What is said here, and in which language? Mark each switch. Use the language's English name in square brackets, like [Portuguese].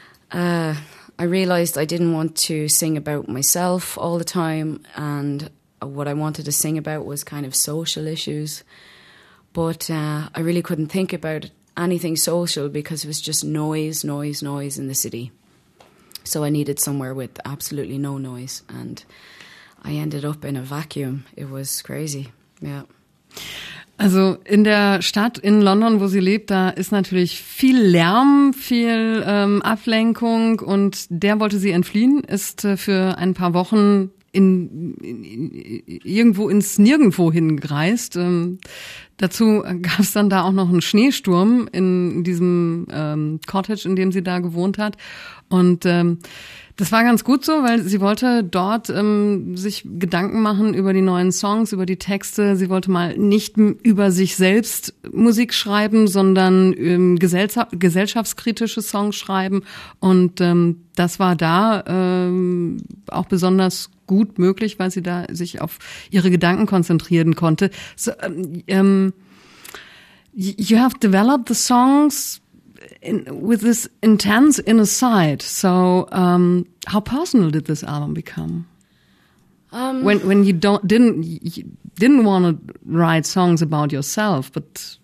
[English] I realized I didn't want to sing about myself all the time, and what I wanted to sing about was kind of social issues. But I really couldn't think about anything social because it was just noise, noise, noise in the city. So I needed somewhere with absolutely no noise, and I ended up in a vacuum. It was crazy, yeah. [German] Also in der Stadt in London, wo sie lebt, da ist natürlich viel Lärm, viel Ablenkung, und der wollte sie entfliehen, ist für ein paar Wochen irgendwo ins Nirgendwo hingereist. Dazu gab es dann da auch noch einen Schneesturm in diesem Cottage, in dem sie da gewohnt hat. Und das war ganz gut so, weil sie wollte dort sich Gedanken machen über die neuen Songs, über die Texte. Sie wollte mal nicht über sich selbst Musik schreiben, sondern gesellschaftskritische Songs schreiben. Und das war da auch besonders gut möglich, weil sie da sich auf ihre Gedanken konzentrieren konnte. [English] So, you have developed the songs with this intense inner side. So, how personal did this album become? When you didn't want to write songs about yourself, but